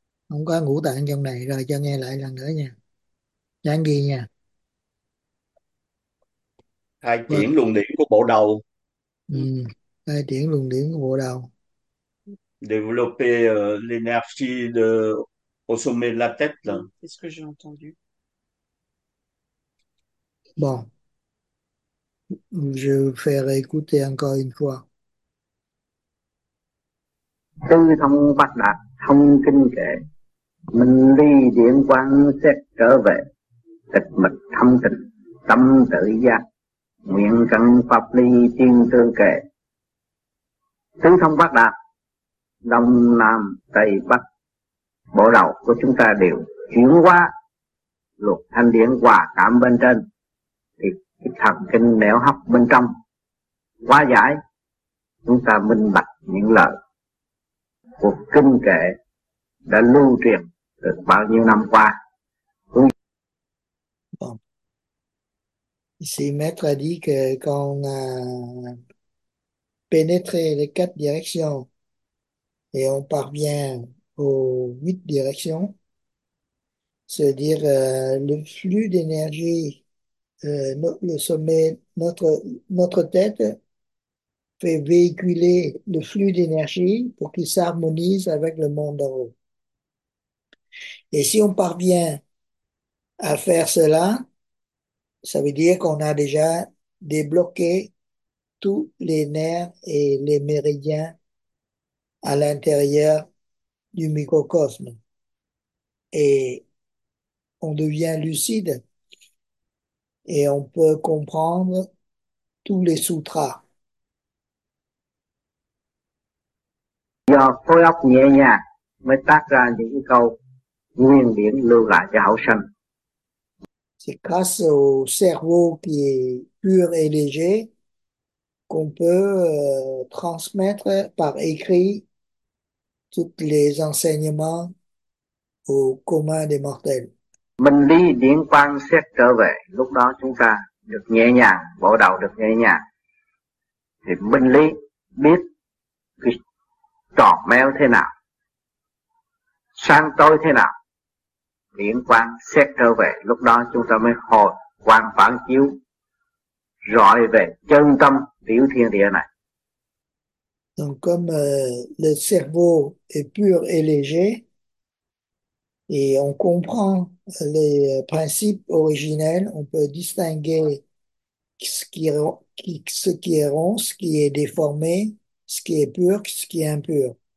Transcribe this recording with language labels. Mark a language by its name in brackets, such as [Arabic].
[Vietnamese] không có ngũ tạng trong này. Rồi cho nghe lại lần nữa nha, nhắn ghi nha. Khai triển luồng điển của bộ đầu. Khai triển luồng điển của bộ đầu. [French] Développer l'énergie de au sommet de la tête là. Qu'est-ce que j'ai entendu? Bon, je ferai écouter encore une fois. [Vietnamese] Tư thông bát đạt thông kinh kệ, minh ly điển quang xét trở về, tịch mịch thâm tịnh tâm tự giác, nguyện căn pháp ly tiên tư kệ. Tư thông bát đạt đông nam tây bắc, bộ đầu của chúng ta đều chuyển qua luật thanh điển hòa cảm bên trên, thì cái thần kinh nẻo hấp bên trong hóa giải, chúng ta minh bạch những lời cuộc kinh kệ đã lưu truyền được bao nhiêu năm qua. [French] Ici, maître a dit que quand on a pénétré les quatre directions et on parvient aux huit directions, c'est-à-dire le flux d'énergie, le sommet, notre tête fait véhiculer le flux d'énergie pour qu'il s'harmonise avec le monde en haut. Et si on parvient à faire cela, ça veut dire qu'on a déjà débloqué tous les nerfs et les méridiens à l'intérieur du microcosme. Et on devient lucide et on peut comprendre tous les sutras. [Vietnamese] Do khối óc nhẹ nhàng mới tác ra những câu nguyên điển lưu lại cho hậu sinh. [French] C'est grâce au cerveau qui est pur et léger qu'on peut transmettre par écrit tous les enseignements au commun des mortels. [Vietnamese] Mình đi điện quang xét trở về, lúc đó chúng ta được nhẹ nhàng, bộ đầu được nhẹ nhàng. Thì minh lý biết cái tròn méo thế nào, sáng tối thế nào, điện quang xét trở về, lúc đó chúng ta mới hồi quang phản chiếu rọi về chân tâm tiểu thiên địa này. [French] Donc comme le cerveau est pur et léger et on comprend les principes originels, on peut distinguer ce qui est rond, ce qui est déformé, ce qui est pur, ce qui est impur.